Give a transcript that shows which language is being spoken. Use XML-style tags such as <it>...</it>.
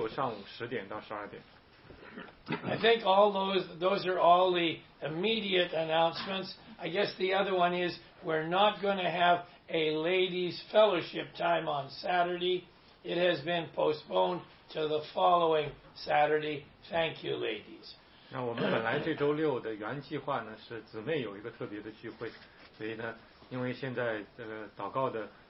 <zh>所以鼓励大家，每个人都能来，周六上午10点到12点。I</zh> <en>think all those are all the immediate announcements. I guess the other one is we're not going to have a ladies' fellowship time on Saturday. It has been postponed to the following Saturday. Thank you, ladies.</en> <zh>那我们本来这周六的原计划呢是姊妹有一个特别的聚会，所以呢，因为现在祷告的。</zh>